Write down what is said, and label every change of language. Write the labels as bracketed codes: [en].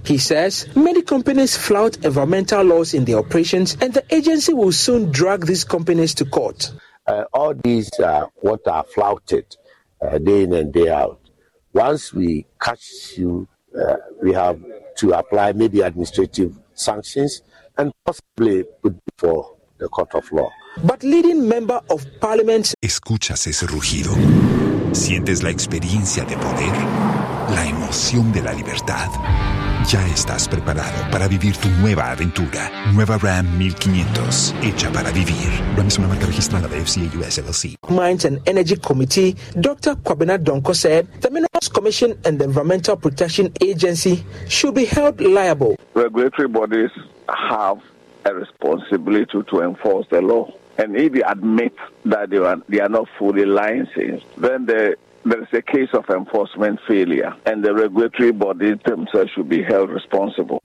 [en] He says many companies flout environmental laws in their operations, and the agency will soon drag these companies to court. All these what are flouted day in and day out. Once we catch you, we have to apply maybe administrative sanctions and possibly put before the court of law. But leading member of parliament, [es] escuchas ese rugido, sientes la experiencia de poder, la emoción de la libertad. Ya estás preparado para vivir tu nueva aventura. Nueva Ram 1500, hecha para vivir. Ram es una marca registrada de FCA US LLC. [en] Mines and Energy Committee, Dr. Kwabena Donko said, the Minerals Commission and the Environmental Protection Agency should be held liable. Regulatory bodies have a responsibility to enforce the law. And if you admit that they are not fully licensed, then there is a case of enforcement failure, and the regulatory body themselves should be held responsible.